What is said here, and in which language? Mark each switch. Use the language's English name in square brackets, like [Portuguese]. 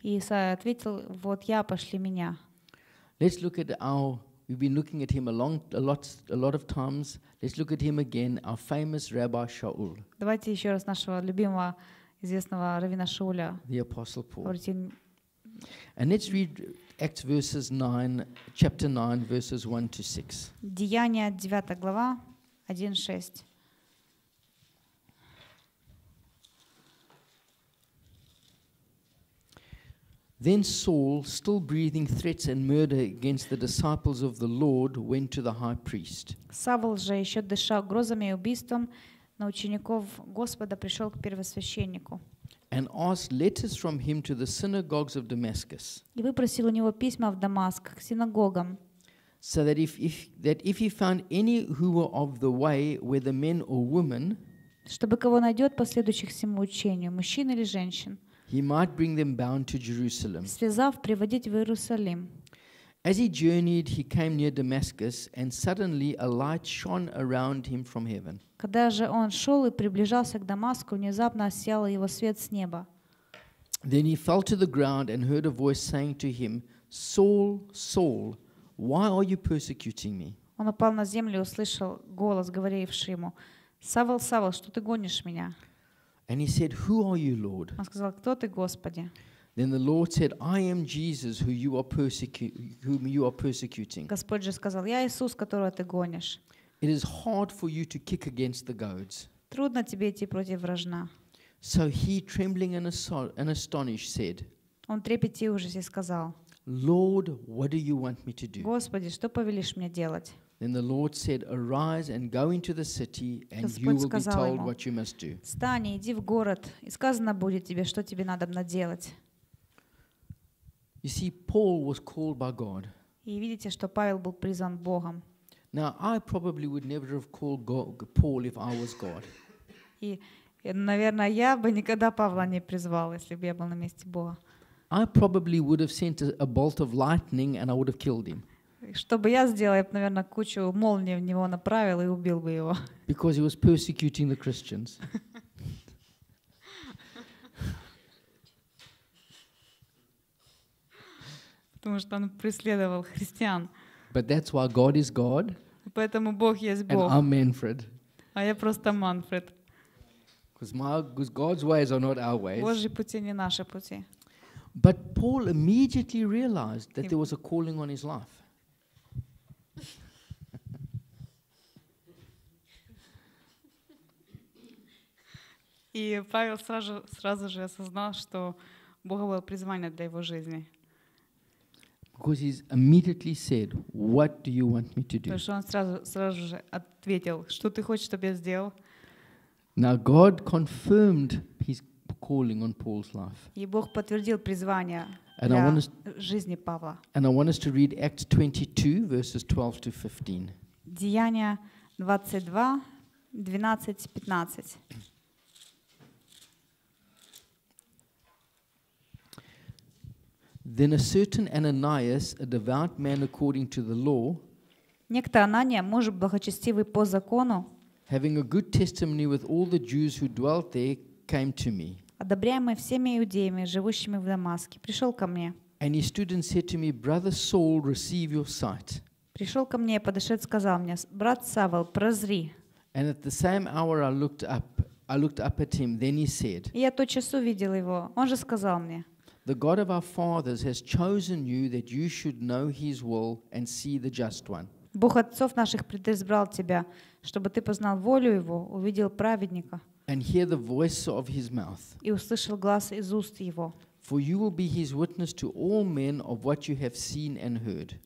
[Russian] И Исаия ответил, вот я, пошли меня. [English] Let's look at our. We've been looking at him a lot of times. Let's look at him again. Our famous Rabbi Shaul. [Russian] Давайте еще раз нашего любимого известного раввина Шауля. [English] The Apostle Paul. And let's read Acts verses 9, chapter 9, verses 1 to 6. [Russian] Деяния, 9 глава, 1-6. [English] Then Saul, still breathing threats and murder against the disciples of the Lord, went to the high priest. [Russian] Савл же, еще дыша угрозами и убийством на учеников Господа, пришел к первосвященнику. [English] And asked letters from him to the synagogues of Damascus. [Russian] И выпросил у него письма в Дамаск к синагогам. [English] So that if he found any who were of the way, whether men or women, [Russian] чтобы кого найдет последующих всему учению, мужчин или женщин, [English] he might bring them bound to Jerusalem. [Russian] Связав, приводить в Иерусалим. [English] As he journeyed, he came near Damascus, and suddenly a light shone around him from heaven. [Russian] Когда же он шел и приближался к Дамаску, внезапно осиял его свет с неба. [English] Then he fell to the ground and heard a voice saying to him, "Saul, Saul, why are you persecuting me?" [Russian] Он упал на землю и услышал голос, говоривший ему, "Савл, Савл, что ты гонишь меня?" [English] And he said, "Who are you, Lord?" [Russian] Он сказал, "Кто ты, Господи?" [English] Then the Lord said, "I am Jesus, whom you are persecuting." [Russian] Господь же сказал, "Я Иисус, которого ты гонишь." [English] It is hard for you to kick against the goads. [Russian] Трудно тебе идти против вражна. [English] So he, trembling and astonished, said. [Russian] Он трепетя ужасе сказал. [English] Lord, what do you want me to do? [Russian] Господи, что повелишь мне делать? [English] Then the Lord said, "Arise and go into the city, and you will be told what you must do." [Russian] Встань, иди в город, и сказано будет тебе, что тебе надобно делать. [English] You see, Paul was called by God. [Russian] И видите, что Павел был призван Богом. [English] Now I probably would never have called Paul if I was God. [Russian] И, наверное, я бы никогда Павла не призвал, если бы я был на месте Бога. [English] I probably would have sent a bolt of lightning and I would have killed him. [Russian] Что бы я сделал, я бы, наверное, кучу молний в него направил и убил бы его. [English] Because he was persecuting the Christians. [Russian] Потому что он преследовал христиан. [English] But that's why God is God. [Russian] Поэтому Бог есть Бог. [English] And I'm Manfred. [Russian] А я просто Манфред. [English] Because God's ways are not our ways. [Russian] Божьи пути не наши пути. [English] But Paul immediately realized that there was a calling on his life. [Russian] И Павел сразу же осознал, что Бога было призвание для его жизни. [English] Because he immediately said, "What do you want me to do?" [Russian] Потому что он сразу же ответил, что ты хочешь, чтобы я сделал. [English] Now God confirmed his calling on Paul's life. [Russian] И Бог подтвердил призвание жизни Павла. [English] And I want us to read Acts 22 verses 12 to 15. [Russian] Деяния 22, 12, 15. [English] Then a certain Ananias, a devout man according to the law, [Russian] некто Анания, муж благочестивый по закону, [English] having a good testimony with all the Jews who dwelt there, came to me. [Russian] Одобряемый всеми иудеями, живущими в Дамаске, пришел ко мне. [English] And he stood and said to me, Brother Saul, receive your sight. [Russian] Пришел ко мне и подошел, сказал мне, брат Савл, прозри. [English] And at the same hour I looked up at him. Then he said. [Russian] Я тотчас увидел его. Он же сказал мне. [English] The God of our fathers has chosen you that you should know His will and see the Just One. [Russian] Бог отцов наших предизбрал тебя, чтобы ты познал волю Его, увидел праведника. [English] And hear the voice of His mouth. [Russian] И услышал глас из уст Его. [English] For you will be His witness to all men of what you have seen and heard.